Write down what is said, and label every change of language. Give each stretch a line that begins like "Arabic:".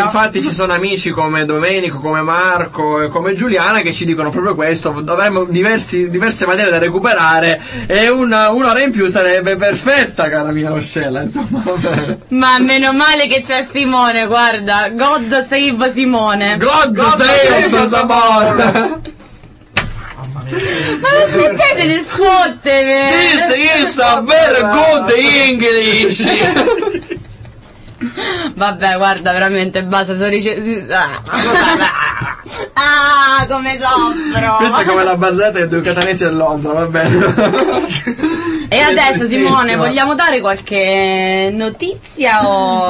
Italian: E infatti ci sono amici come Domenico, come Marco e come Giuliana che ci dicono proprio questo: dovremmo diverse materie da recuperare e un'ora in più sarebbe perfetta, cara mia Rossella, insomma. Ma meno male che c'è Simone, guarda,
English: God save Simone. God save Simone.
Italian: Ma non smettete di sfottere!
English: This is a very good English!
Italian: Vabbè, guarda, veramente, basta, sono ricevuto. Ah, come soffro! Questa è come la barzetta dei due catanesi a Londra, va bene. E adesso, Simone, vogliamo dare qualche notizia o...